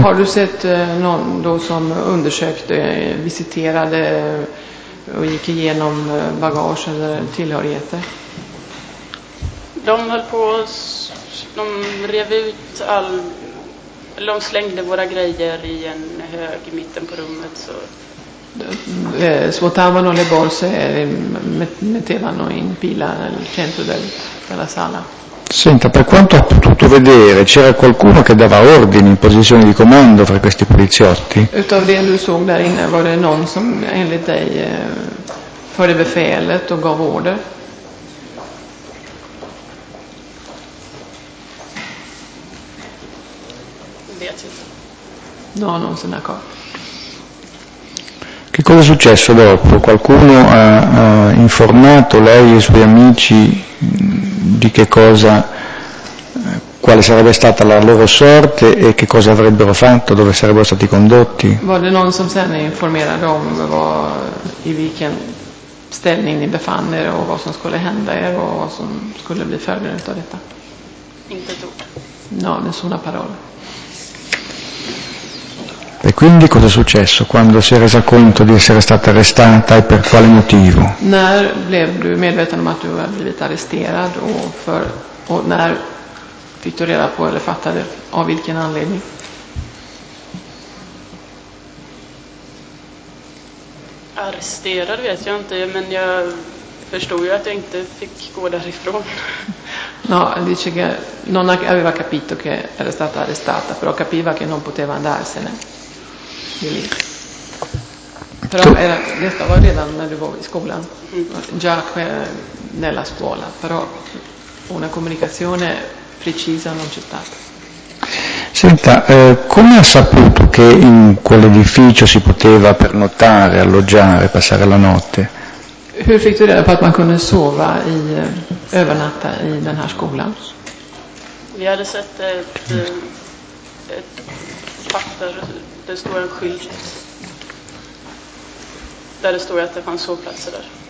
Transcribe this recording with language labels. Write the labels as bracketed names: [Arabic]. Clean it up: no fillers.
[Swedish] Har du sett någon då som undersökte, visiterade och gick igenom bagage eller tillhörigheter? De höll på, de rev ut all, de slängde våra grejer i en hög i mitten på rummet, så [Italian] svuotavano le borse e mettevano in pila nel centro della sala. Senta, per quanto ho potuto vedere, c'era qualcuno che dava ordini in posizione di comando fra questi poliziotti? [Swedish] Utav det du såg där inne, var det någon som enligt dig förde befälet och gav order? Vet inte. [Italian] No, non se ne accorto. Che cosa è successo dopo? Qualcuno ha informato lei e i suoi amici di che cosa quale sarebbe stata la loro sorte e che cosa avrebbero fatto, dove sarebbero stati condotti. [Swedish] Var det någon som sen informerade om vad, i vilken ställning ni befann er och vad som skulle hända er och vad som skulle bli följden av detta? Inte ett ord. [Italian] No, nessuna parola. E quindi cosa è successo quando si è resa conto di essere stata arrestata e per quale motivo? [Swedish] När blev du medveten om att du hade blivit arresterad och för och när fick du reda på eller fattade av vilken anledning? Arresterad vet jag inte, men jag förstod ju att jag inte fick gå därifrån. [Italian] No, dice che non aveva capito che era stata arrestata, però capiva che non poteva andarsene. Però era, [Swedish] detta var redan när du var i skolan, [Italian] già nella scuola, però una comunicazione precisa non c'è stata. Senta, come ha saputo che in quell'edificio si poteva pernottare, alloggiare, passare la notte? [Swedish] Hur fick du reda på att man kunde sova i övernatta i den här skolan? Vi hade sett ett papper, det står en skylt där det står att det fanns sovplatser där.